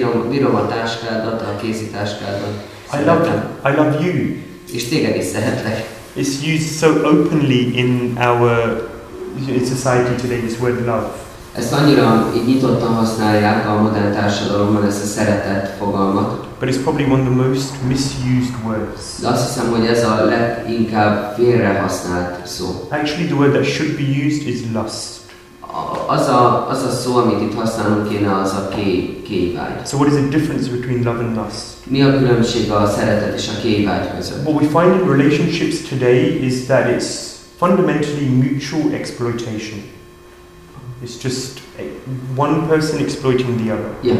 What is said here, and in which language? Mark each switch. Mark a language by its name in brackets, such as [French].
[Hungarian] Bírom a táskádat, a kézi táskádat. [English] I love you. [Hungarian] És téged is szeretlek. [English] It's used so openly in our society today, this word love. [Hungarian] Ezt annyira nyitottan használják a modern társadalomban, ezt a szeretet fogalmat. [English] But it's probably one of the most misused words. [Hungarian] De azt hiszem, hogy ez a leginkább félre használt szó. [English] Actually, the word that should be used is lust. [Hungarian] Az a szó, amit itt használunk kéne, az a kévágy. [English] So what is the difference between love and lust? [Hungarian] Mi a különbség a szeretet és a kévágy között? [English] What we find in relationships today is that it's fundamentally mutual exploitation. It's just one person exploiting the other.